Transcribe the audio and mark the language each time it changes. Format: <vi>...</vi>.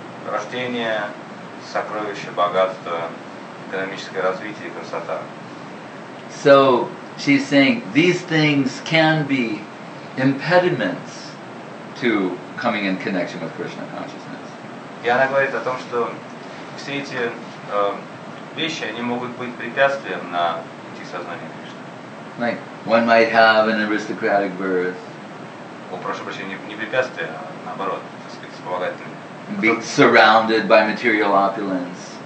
<ru>Рождение, сокровище, богатство, экономическое развитие, красота.</ru> <en>So she's saying these things can be impediments to coming in connection with Krishna consciousness.</en> <ru>И она говорит о том, что все эти вещи, они могут быть препятствием на пути сознания Кришны.</ru> <en>Like one might have an aristocratic birth.</en> <ru>Прошу прощения, не препятствие, а наоборот, так сказать, вспомогательное.</ru> <en>Be surrounded by material opulence.</en>